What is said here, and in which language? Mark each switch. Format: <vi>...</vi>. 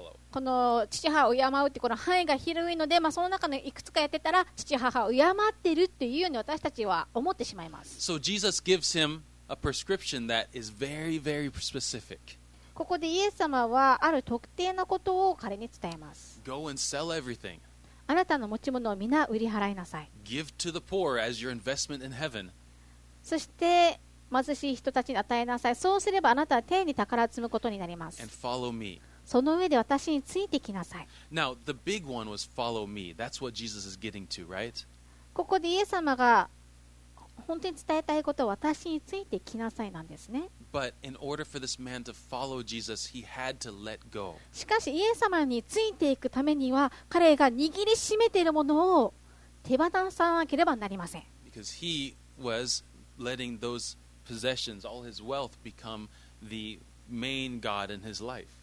<ja>この父母を敬うってこの範囲が広いので、まあ、その中のいくつかやってたら父母を敬ってるっていうように私たちは思ってしまいます。</ja> <en>So Jesus gives him a prescription that is very, very specific.</en> <ja>ここでイエス様はある特定のことを彼に伝えます。</ja> <en>Go and sell everything.</en> <ja>あなたの持ち物をみんな売り払いなさい。</ja> <en>Give to the poor as your investment in heaven.</en> <ja>そして貧しい人たちに与えなさい。そうすればあなたは天に宝を積むことになります。</ja> <en>And follow me.</en> <ja>その上で私についてきなさい。</ja> <en>Now, the big one was follow me. That's what Jesus is getting to, right?</en> <ja>ここでイエス様が本当に伝えたいことは私についてきなさいなんですね。</ja> <en>But in order for this man to follow Jesus, he had to let go.</en> <ja>しかしイエス様についていくためには彼が握りしめているものを手放さなければなりません。</ja> <en>Because he was letting thosePossessions, all his wealth, become the main god in his life.</en>